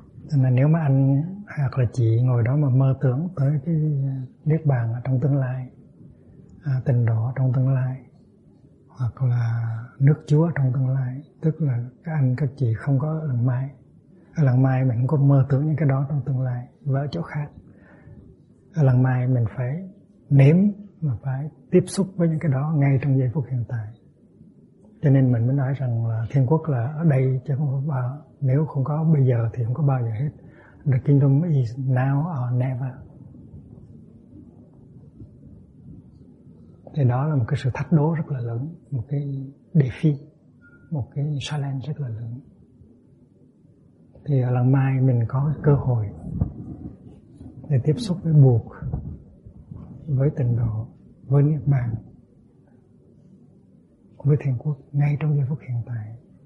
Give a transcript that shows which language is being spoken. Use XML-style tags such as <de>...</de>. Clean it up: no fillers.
<vi>Nên là nếu mà anh hoặc là chị ngồi đó mà mơ tưởng tới cái niết bàn ở trong tương lai, tịnh độ trong tương lai, hoặc là nước Chúa trong tương lai, tức là các anh các chị không có ở làng Mai, ở làng Mai mình không có mơ tưởng những cái đó trong tương lai và ở chỗ khác, ở làng Mai mình phải nếm mà phải tiếp xúc với những cái đó ngay trong giây phút hiện tại. Cho nên mình mới nói rằng là thiên quốc là ở đây chứ không có bao, nếu không có bây giờ thì không có bao giờ hết.</vi> <en>The kingdom is now or never.</en> <vi>Thì đó là một cái sự thách đố rất là lớn, một cái đề phi, một cái challenge rất là lớn. Thì ở làng Mai mình có cơ hội để tiếp xúc với Bụt, với tịnh độ, với niết bàn, với thiền quốc ngay trong giây phút hiện tại.</vi>